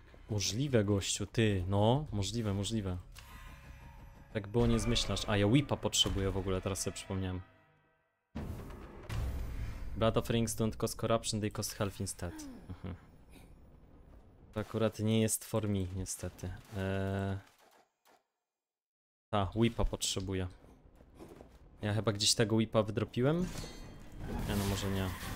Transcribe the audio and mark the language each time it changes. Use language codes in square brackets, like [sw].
[pl] Możliwe, gościu, ty, no, możliwe, możliwe. Tak było, nie zmyślasz. A, ja whipa potrzebuję w ogóle, teraz sobie przypomniałem. [en] Blood of rings don't cost corruption, they cost health instead. [pl] To akurat nie jest [en] for me, [pl] niestety. Ta, whipa potrzebuję. Ja chyba gdzieś tego whipa wydropiłem? Nie, no może nie.